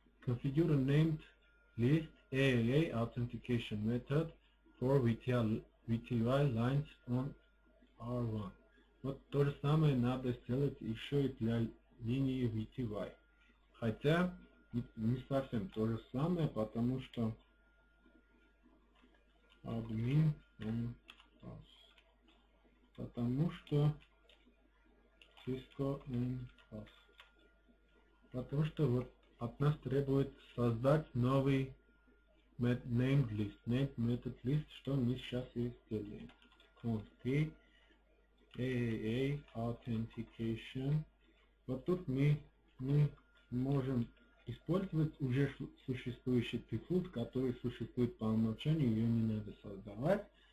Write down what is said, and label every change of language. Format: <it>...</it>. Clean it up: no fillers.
<en>Configure named list AAA authentication method for VTY lines on R1.</en> <ru>Вот то же самое надо сделать еще и для линии VTY. Хотя не совсем то же самое, потому что admin on pass. Потому что Cisco on pass. Потому что вот от нас требует создать новый named list, named method list, что мы сейчас и сделаем.</ru> <en>Config AAA authentication.</en> <ru>Вот тут мы можем использовать уже существующий default, который существует по умолчанию, ее не надо создавать.</ru>